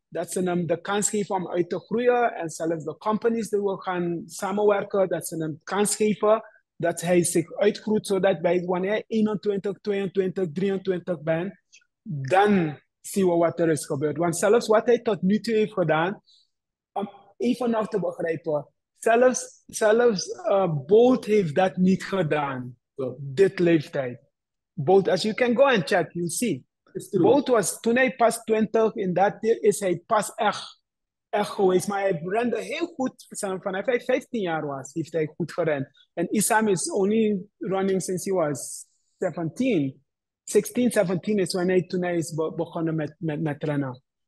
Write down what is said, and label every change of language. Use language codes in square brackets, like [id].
[nl] Dat ze hem de kans geven om uit te groeien en zelfs de companies die we gaan samenwerken, dat ze hem kans geven dat hij zich uitgroeit, zodat bij wanneer 21, 22, 23 bent, dan zien we wat er is gebeurd. Want zelfs wat hij tot nu toe heeft gedaan, om even nog te begrijpen, zelfs Bolt heeft dat niet gedaan, dit leeftijd. [en] Bolt, as you can go and check, you see. [nl] Bolt was toen hij pas 20 in dat deel is hij pas echt geweest. Maar hij rende heel goed vanaf hij 15 jaar was, heeft hij goed gerend. [en] En Issam is only running since he was 17. [nl] 16, 17 [en] is when [nl] toen hij is begonnen met rennen.